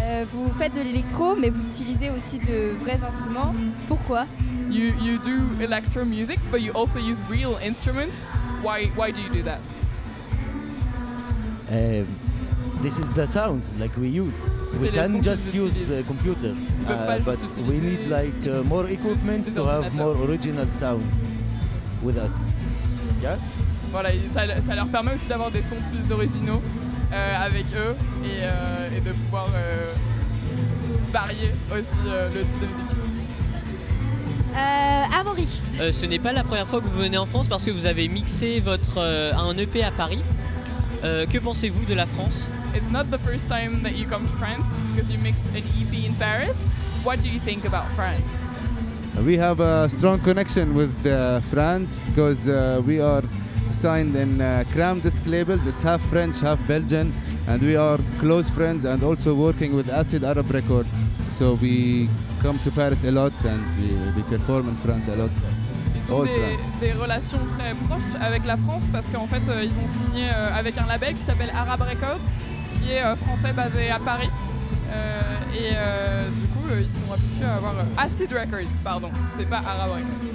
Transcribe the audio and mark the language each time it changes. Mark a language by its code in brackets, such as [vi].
[fr] Vous faites de l'électro, mais vous utilisez aussi de vrais instruments. Pourquoi? [en] You do electro music, but you also use real instruments. Why do you do that? This is the sounds like we use. We can just use the computer, but we need like more equipment to have more original sounds. With us. Yeah. [fr] Voilà, ça leur permet aussi d'avoir des sons plus originaux avec eux et de pouvoir varier aussi le type de musique. Amaury. Ce n'est pas la première fois que vous venez en France parce que vous avez mixé un EP à Paris. Que pensez-vous de la France? [en] It's not the first time that you come to France because you mixed an EP in Paris. What do you think about France? We have a strong connection with France because we are signed in Cram Disc labels. It's half French, half Belgian, and we are close friends and also working with Acid Arab Records. So we come to Paris a lot and we perform in France a lot. [fr] Ils ont des relations très proches avec la France parce qu'en fait ils ont signé avec un label qui s'appelle Arab Records, qui est français basé à Paris. Du coup, ils sont habitués à avoir Acid Records, pardon, c'est pas Arab Records.